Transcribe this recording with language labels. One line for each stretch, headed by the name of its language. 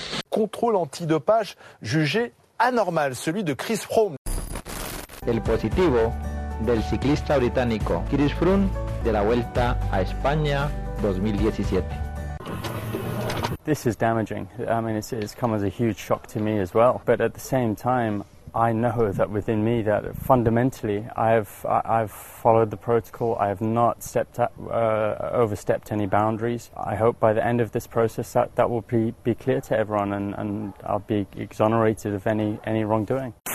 French: Contrôle antidopage jugé anormal, celui de Chris Froome.
Spanish: El positivo del ciclista británico Chris Froome de la Vuelta a España 2017.
English: This is damaging. I mean, it's come as a huge shock to me as well. But at the same time, I know that within me that fundamentally I've followed the protocol. I have not overstepped any boundaries. I hope by the end of this process that will be clear to everyone and I'll be exonerated of any wrongdoing.